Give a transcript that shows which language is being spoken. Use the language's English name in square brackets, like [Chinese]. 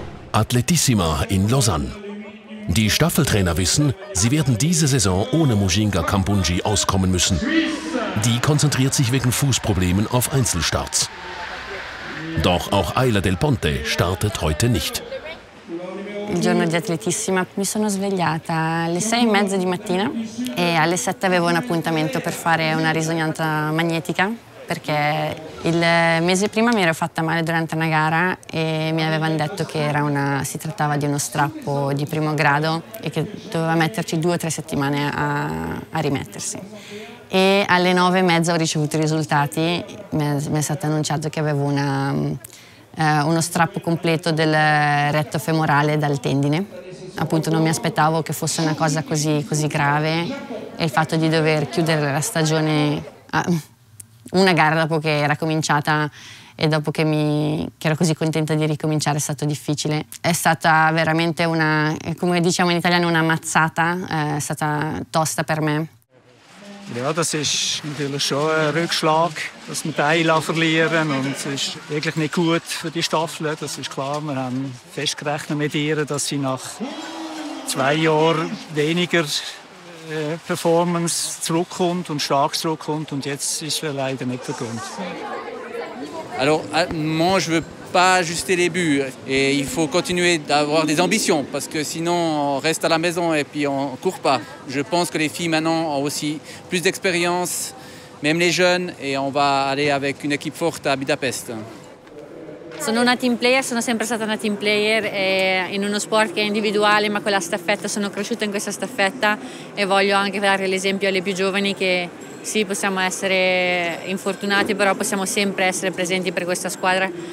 [German] Athletissima in Lausanne. Die Staffeltrainer wissen, sie werden diese Saison ohne Mujinga Kambunji auskommen müssen. Die konzentriert sich wegen Fußproblemen auf Einzelstarts. Doch auch Ayla Del Ponte startet heute nicht. [Italian] Il giorno di Atletissima mi sono svegliata alle 6:30 di mattina e alle 7 avevo un appuntamento per fare una risonanza magnetica. Perché il mese prima mi ero fatta male durante una gara e mi avevano detto che si trattava di uno strappo di primo grado e che doveva metterci 2 o 3 settimane a rimettersi. E alle 9:30 ho ricevuto i risultati, mi è stato annunciato che avevo uno strappo completo del retto femorale dal tendine. Appunto non mi aspettavo che fosse una cosa così, così grave e il fatto di dover chiudere la stagione una gara dopo che era cominciata e dopo che ero così contenta di ricominciare è stato difficile. È stata veramente una, come diciamo in italiano, una mazzata, è stata tosta per me. [German] Ja, das ist natürlich schon ein Rückschlag, dass wir die Eila verlieren. Und es ist wirklich nicht gut für die Staffel, das ist klar. Wir haben fest gerechnet mit ihr, dass sie nach zwei Jahren weniger Performance zurückkommt und stark zurückkommt. Und jetzt ist sie leider nicht der Grund. [French] Alors, moi, je veux pas ajuster les buts. Et il faut continuer d'avoir des ambitions, parce que sinon, on reste à la maison et puis on court pas. Je pense que les filles maintenant ont aussi plus d'expérience, même les jeunes, et on va aller avec une équipe forte à Budapest. [Italian] Sono una team player, sono sempre stata una team player e in uno sport che è individuale, ma con la staffetta, sono cresciuta in questa staffetta e voglio anche dare l'esempio alle più giovani che sì, possiamo essere infortunati, però possiamo sempre essere presenti per questa squadra.